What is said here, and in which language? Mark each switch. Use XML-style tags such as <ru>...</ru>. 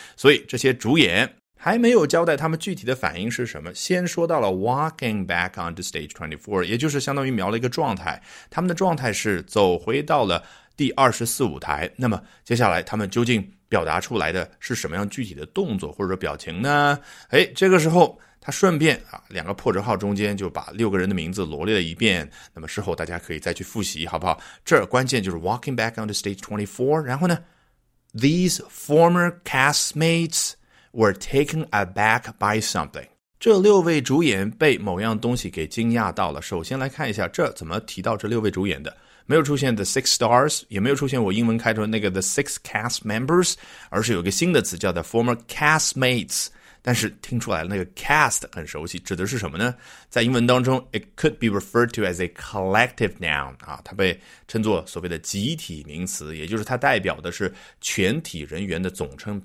<zh>所以这些主演还没有交代他们具体的反应是什么，先说到了</zh> <en>walking back onto stage 24,</en> <zh>也就是相当于描了一个状态，他们的状态是走回到了第24舞台。那么接下来他们究竟表达出来的是什么样具体的动作或者表情呢？诶，这个时候他顺便啊，两个破折号中间就把六个人的名字罗列了一遍，那么事后大家可以再去复习好不好。这儿关键就是</zh> <en>walking back onto stage 24,</en> <zh>然后呢</zh> <en>these former castmates were taken aback by something.</en> <zh>这六位主演被某样东西给惊讶到了。首先来看一下这怎么提到这六位主演的。没有出现</zh> <en>the six stars,</en> <zh>也没有出现我英文开头那个</zh> <en>the six cast members,</en> <zh>而是有一个新的词叫</zh> <en>the former castmates。</en> <zh>但是听出来那个 cast 很熟悉，指的是什么呢？在英文当中</zh> <en>it could be referred to as a collective noun,</en> <zh>啊，它被称作所谓的集体名词，也就是它代表的是全体人员的总称。</zh>